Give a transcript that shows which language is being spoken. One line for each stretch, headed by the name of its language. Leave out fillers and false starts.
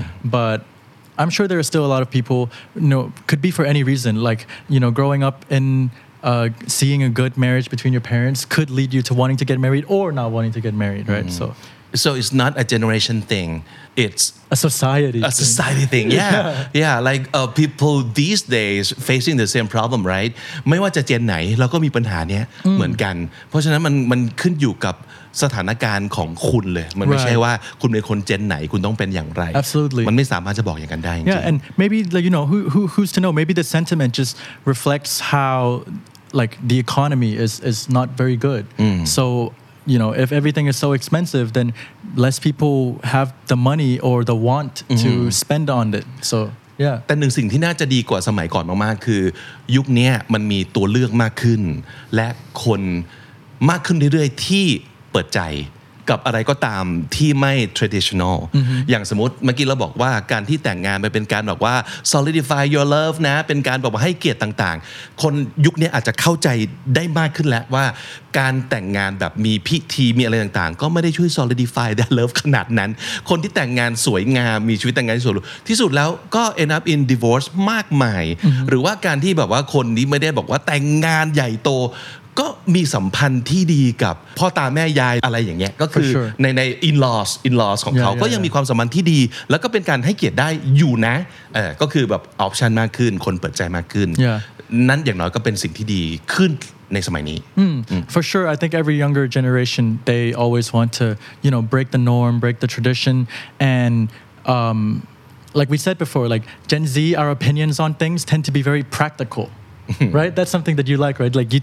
English: But I'm sure there are still a lot of people, you know, could be for any reason, like, you know, growing up in... seeing a good marriage between your parents could lead you to wanting to get married or not wanting to get married, right? Mm-hmm. So it's not a generation thing. It's a society. A society thing. Yeah. Yeah. Like people these days facing the same problem, right?
Thai: ไม่ว่าจะเจนไหนเราก็มีปัญหาเนี้ยเหมือนกันเพราะฉะนั้นมันขึ้นอยู่กับสถานการณ์ของคุณเลยมันไม่ใช่ว่าคุณเป็นคนเจนไหนคุณต้องเป็นอย่างไร
English: Absolutely.
Thai: มันไม่สามารถจะบอกอย่างกันได้จริง
English: Yeah. And maybe like, you know who's to know maybe the sentiment just reflects howlike the economy is not very good so you know if everything is so expensive then less people have the money or the want to spend on it so yeah
Thai: แต่หนึ่งสิ่งที่น่าจะดีกว่าสมัยก่อนมากๆคือยุคนี้มันมีตัวเลือกมากขึ้นและคนมากขึ้นเรื่อยๆที่เปิดใจกับอะไรก็ตามที่ไม่ traditional อย่างสมมติเมื่อกี้เราบอกว่าการที่แต่งงานไปเป็นการบอกว่า
English: solidify your love
Thai: นะเป็นการบอกว่าให้เกียรติต่างๆคนยุคนี้อาจจะเข้าใจได้มากขึ้นแล้วว่าการแต่งงานแบบมีพิธีมีอะไรต่างๆก็ไม่ได้ช่วย
English: solidify that love
Thai: ขนาดนั้นคนที่แต่งงานสวยงามมีชีวิตแต่งงานที่ สุดแล้วก็
English: end up in divorce
Thai: มากมายหรือว่าการที่แบบว่าคนนี้ไม่ได้บอกว่าแต่งงานใหญ่โตก็มีสัมพันธ์ที่ดีกับพ่อตาแม่ยายอะไรอย่างเงี้ยก็คือ
English: sure.
Thai: ใน in-laws ของ
English: yeah,
Thai: เขา
English: yeah,
Thai: ก็ยัง
English: yeah.
Thai: มีความสัมพันธ์ที่ดีแล้วก็เป็นการให้เกียรติได้อยู่นะก็คือแบบออปชันมากขึ้นคนเปิดใจมากขึ้น
English: yeah.
Thai: นั้นอย่างน้อยก็เป็นสิ่งที่ดีขึ้นในสมัยนี้
English: For sure I think every younger generation they always want to you know break the norm break the tradition andlike we said before like Gen Z our opinions on things tend to be very practicalright that's something that you like right like you